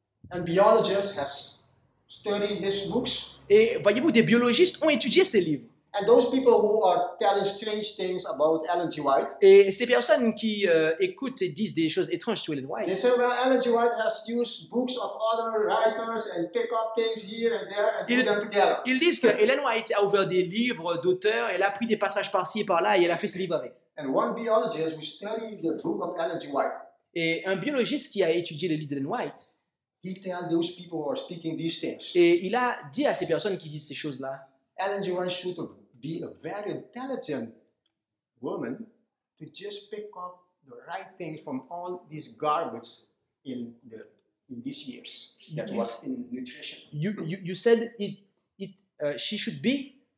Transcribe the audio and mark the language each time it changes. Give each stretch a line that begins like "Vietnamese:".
English: And biologists has studied these books.
French: Et voyez-vous, des biologistes ont étudié ces livres.
English: And those people who are telling strange things about Ellen G. White.
French: Et ces personnes qui écoutent et disent des choses étranges sur Ellen White.
English: They say, well, Ellen G. White has used books of other writers and pick up things here and there and put them together.
French: Ils disent que Ellen White a ouvert des livres d'auteurs, elle a pris des passages par-ci et par-là et elle a fait ce livre avec.
English: And one biologist who studied the book of Ellen G. White.
French: Et un biologiste qui a étudié les livres d'Ellen White.
English: He tell those people who are speaking these things.
French: Et il a dit à ces personnes qui disent ces choses-là.
English: Ellen G. Warren should be a very intelligent woman to just pick up the right things from all these garbage in these years that was in nutrition. You said it she should be.